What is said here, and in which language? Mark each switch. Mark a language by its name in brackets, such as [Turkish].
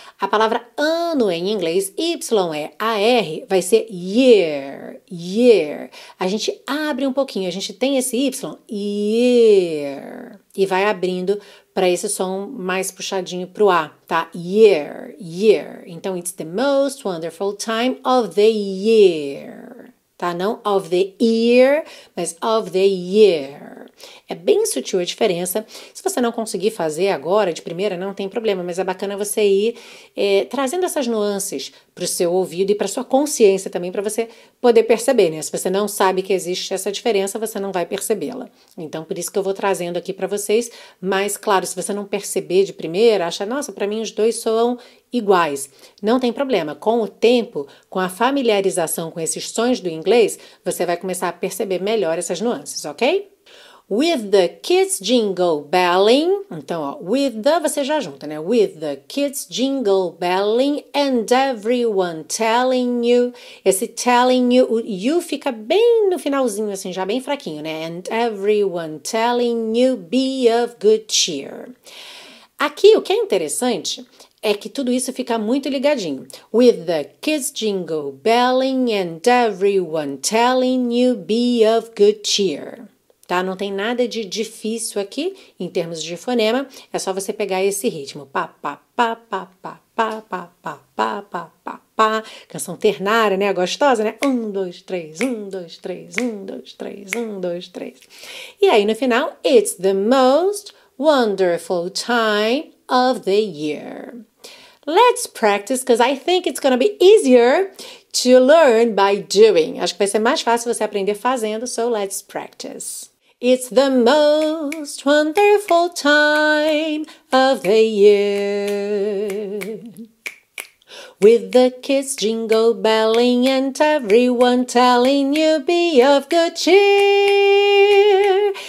[Portuguese] A palavra ano em inglês, Y é a R, vai ser year, year. A gente abre um pouquinho, a gente tem esse Y, year, e vai abrindo para esse som mais puxadinho pro A, tá? [English] Year, year. [Portuguese] Então, [English] it's the most wonderful time of the year, [Portuguese] tá? Não [English] of the year, [Portuguese] mas [English] of the year. [Portuguese] É bem sutil a diferença. Se você não conseguir fazer agora, de primeira, não tem problema, mas é bacana você ir trazendo essas nuances para o seu ouvido e para a sua consciência também, para você poder perceber, né? Se você não sabe que existe essa diferença, você não vai percebê-la. Então, por isso que eu vou trazendo aqui para vocês. Mas, claro, se você não perceber de primeira, acha, nossa, para mim os dois soam iguais. Não tem problema. Com o tempo, com a familiarização com esses sons do inglês, você vai começar a perceber melhor essas nuances, ok? [English] With the kids jingle belling, [Portuguese] então, ó, [English] with the, [Portuguese] você já junta, né? [English] With the kids jingle belling and everyone telling you. [Portuguese] Esse [English] telling you, [Portuguese] o you fica bem no finalzinho, assim, já bem fraquinho, né? [English] And everyone telling you be of good cheer. [Portuguese] Aqui, o que é interessante é que tudo isso fica muito ligadinho. [English] With the kids jingle belling and everyone telling you be of good cheer. [Portuguese] Tá? Não tem nada de difícil aqui em termos de fonema, é só você pegar esse ritmo. Pá, pá, pá, pá, pá, pá, pá, pá, pá, pá, pá, pá. Canção ternária, né? Gostosa, né? Um, dois, três, um, dois, três, um, dois, três, um, dois, três. E aí no final, [English] it's the most wonderful time of the year. Let's practice, because I think it's going to be easier to learn by doing. [Portuguese] Acho que vai ser mais fácil você aprender fazendo, [English] so let's practice. It's the most wonderful time of the year. With the kids jingle belling and everyone telling you be of good cheer.